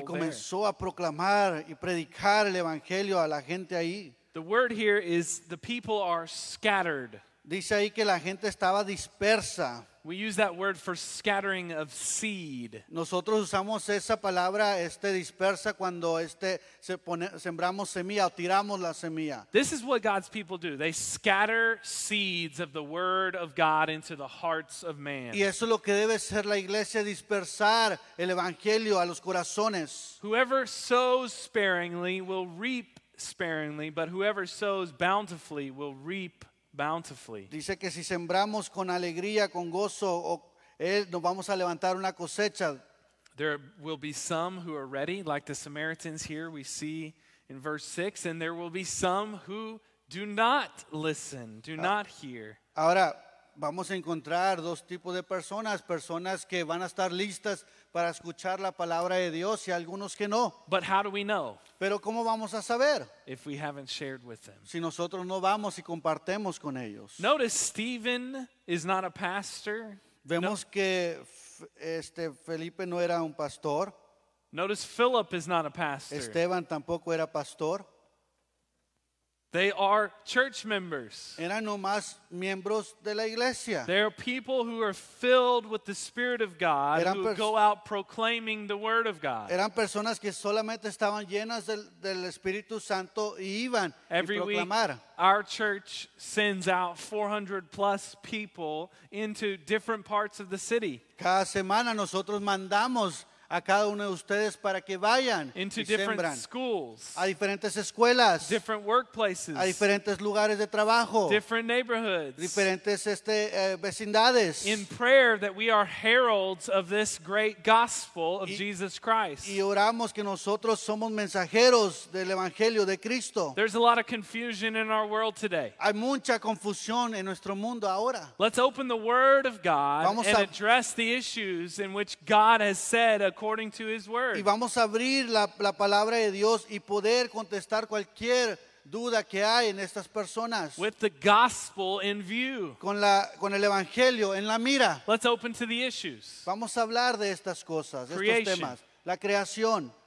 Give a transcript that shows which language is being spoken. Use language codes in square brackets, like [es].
[es] y comenzó [en] there. [es] A proclamar y predicar el evangelio a la gente ahí. [en] The word here is the people are scattered. [es] Dice ahí que la gente estaba dispersa. [en] We use that word for scattering of seed. [es] Nosotros usamos esa palabra, dispersa, cuando sembramos semilla o tiramos la semilla. [en] This is what God's people do. They scatter seeds of the word of God into the hearts of man. [es] Y eso es lo que debe ser la iglesia, dispersar el evangelio a los corazones. [en] Whoever sows sparingly will reap sparingly, but whoever sows bountifully will reap bountifully. [es] Dice que si sembramos con alegría, con gozo, nos vamos a levantar una cosecha. [en] There will be some who are ready, like the Samaritans here we see in verse 6, and there will be some who do not listen, do not hear. [es] Ahora vamos a encontrar dos tipos de personas, personas que van a estar listas para escuchar la palabra de Dios y algunos que no. [en] But how do we know? [es] Pero ¿cómo vamos a saber? [en] If we haven't shared with them. [es] Si nosotros no vamos y compartemos con ellos. [en] Notice Stephen is not a pastor. [es] Vemos que Felipe no era un pastor. [en] Notice Philip is not a pastor. [es] Esteban tampoco era pastor. [en] They are church members. [es] Eran nomás miembros de la iglesia. [en] They are people who are filled with the Spirit of God, [es] eran [en] who go out proclaiming the Word of God. [es] Eran personas que solamente estaban llenas del Espíritu Santo y iban [en] every [es] y proclamar. [en] Week, our church sends out 400 plus people into different parts of the city. [es] Cada semana nosotros mandamos a cada uno de ustedes para que vayan [en] into [es] y sembran [en] schools, [es] a diferentes escuelas, [en] different workplaces, [es] a diferentes lugares de trabajo, [en] different neighborhoods, [es] diferentes vecindades, [en] in prayer that we are heralds of this great gospel of Jesus Christ. [es] Y oramos que nosotros somos mensajeros del evangelio de Cristo. [en] There's a lot of confusion in our world today. [es] Hay mucha confusión en nuestro mundo ahora. [en] Let's open the word of God [es] vamos [en] and [es] a [en] address the issues in which God has said according to his word. [es] Y vamos a abrir la palabra de Dios y poder contestar cualquier duda que hay en estas personas. [en] With the gospel in view. [es] Con el evangelio en la mira. [en] Let's open to the issues. [es] Vamos a hablar de estas cosas, [en] creation, [es] estos temas. La creación.